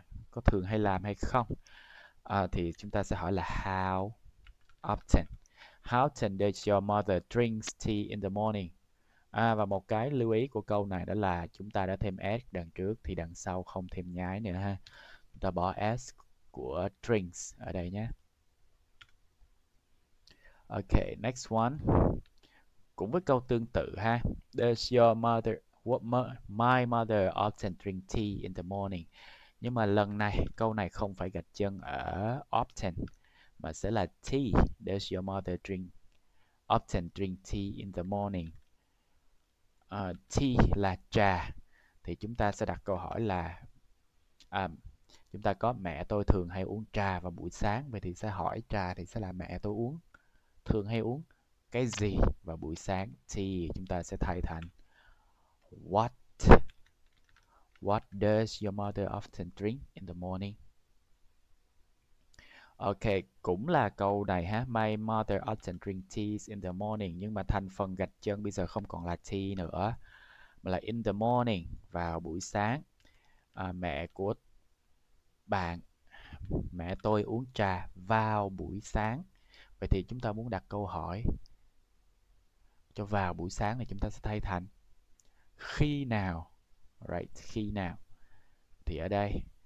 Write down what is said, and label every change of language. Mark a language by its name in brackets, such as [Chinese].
[Vietnamese] Có thường hay làm hay không? Thì chúng ta sẽ hỏi là how often. [English] How often does your mother drink tea in the morning? [Vietnamese] Và một cái lưu ý của câu này đó là chúng ta đã thêm s đằng trước thì đằng sau không thêm nhái nữa ha. Chúng ta bỏ s của drinks ở đây nhé. Ok, [English] next one. [Vietnamese] Cũng với câu tương tự ha. [English] Does your mother, my mother often drink tea in the morning? [Vietnamese] Nhưng mà lần này, câu này không phải gạch chân ở often, mà sẽ là tea. [English] Does your mother drink, often drink tea in the morning? [Vietnamese] Tea là trà. Thì chúng ta sẽ đặt câu hỏi là chúng ta có mẹ tôi thường hay uống trà vào buổi sáng. Vậy thì sẽ hỏi trà thì sẽ là mẹ tôi uống thường hay uống cái gì vào buổi sáng thì chúng ta sẽ thay thành what. [English] What does your mother often drink in the morning? Ok, [Vietnamese] cũng là câu này ha. [English] My mother often drink tea in the morning. [Vietnamese] Nhưng mà thành phần gạch chân bây giờ không còn là tea nữa, mà là [English] in the morning, [Vietnamese] vào buổi sáng. Mẹ của bạn, mẹ tôi uống trà vào buổi sáng. Vậy thì chúng ta muốn đặt câu hỏi cho vào buổi sáng thì chúng ta sẽ thay thành khi nào. Right, khi nào. Thì ở đây